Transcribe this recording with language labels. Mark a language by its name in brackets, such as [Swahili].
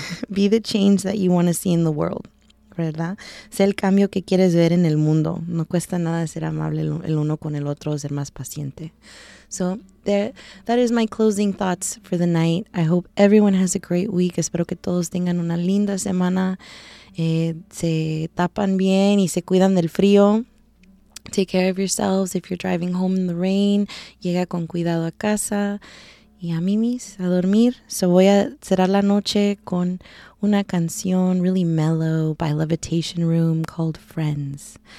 [English] Be the change that you want to see in the world. [Spanish] ¿Verdad? Sé el cambio que quieres ver en el mundo. No cuesta nada ser amable el uno con el otro, ser más paciente. [English] So, that is my closing thoughts for the night. I hope everyone has a great week. [Spanish] Espero que todos tengan una linda semana. Se tapan bien y se cuidan del frío. [English] Take care of yourselves. If you're driving home in the rain, [Spanish] llega con cuidado a casa. Y a mimis, a dormir. So voy a cerrar la noche con una canción [English] really mellow [Spanish] by Levitation Room called Friends.